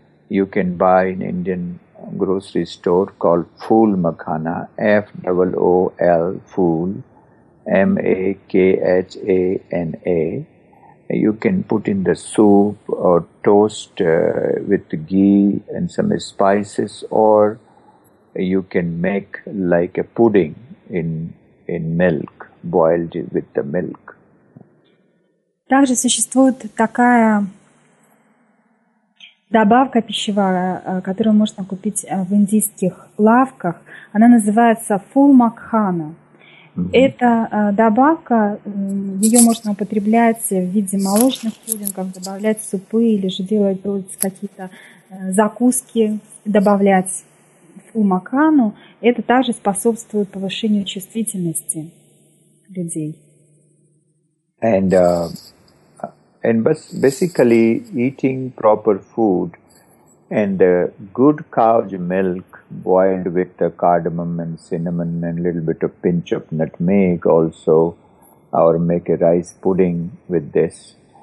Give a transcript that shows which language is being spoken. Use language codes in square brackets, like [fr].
[en] You can buy in Indian grocery store called Phool Makhana, F-O-O-L, Phool, M-A-K-H-A-N-A. You can put in the soup or toast with ghee and some spices, or you can make like a pudding in milk, boiled with the milk. [ru] Также существует такая добавка пищевая, которую можно купить в индийских лавках, она называется Phool Makhana. Это добавка, ее можно употреблять в виде молочных пудингов, добавлять супы или же делать какие-то закуски, добавлять в умакану. Это также способствует повышению чувствительности людей. [en] And basically eating proper food and good cow's milk boiled with the cardamom and cinnamon and a little bit of pinch of nutmeg also, or make a rice pudding with this.